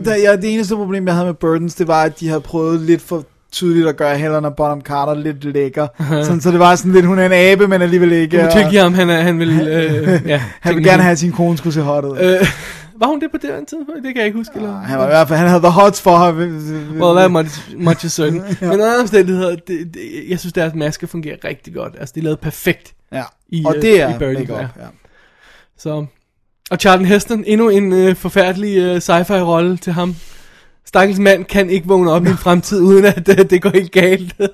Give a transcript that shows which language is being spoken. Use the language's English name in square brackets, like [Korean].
[Danish] Ja, det eneste problem, jeg havde med Burdens, det var, at de havde prøvet lidt for... tydeligt at gøre Helena Bonham Carter lidt lækker. Sådan, så det var sådan lidt, hun er en abe, men alligevel ikke. Du må tænke ham, han vil... han vil gerne have, sin kone skulle se hot ud. Var hun det på det tid? Det kan jeg ikke huske. Eller? Han var i hvert fald, han havde [English] the hots [Danish] for ham. [English] Well, that much is certain. [Danish] Ja. Men andre omstændigheder, jeg synes, deres maske fungerer rigtig godt. Altså, de er lavet perfekt i Birdie Gump. Så. Og Charlton Heston, endnu en forfærdelig sci-fi rolle til ham. Stakkels mand kan ikke vågne op i en fremtid, uden at det går helt galt.